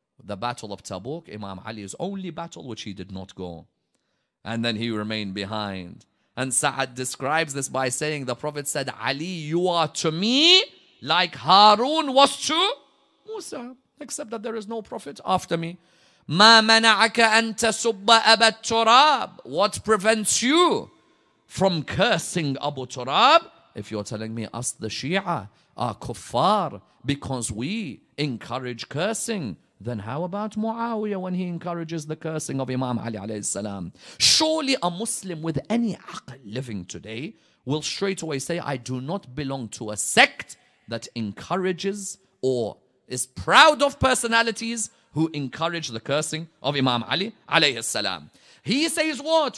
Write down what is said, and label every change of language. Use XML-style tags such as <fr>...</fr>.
<en>The battle of Tabuk, Imam Ali's only battle which he did not go. And then he remained behind. And Sa'ad describes this by saying, the Prophet said, Ali, you are to me like Harun was to Musa. Except that there is no Prophet after me.</en> <ar>مَا مَنَعَكَ أَن تَسُبَّ أَبَا التُّرَابِ.</ar> <en>What prevents you from cursing Abu Turab? If you're telling me us the Shia are kuffar because we encourage cursing, then how about Muawiyah when he encourages the cursing of Imam Ali alayhi salam? Surely a Muslim with any aql living today will straight away say, I do not belong to a sect that encourages or is proud of personalities who encourage the cursing of Imam Ali alayhi salam. He says what?</en>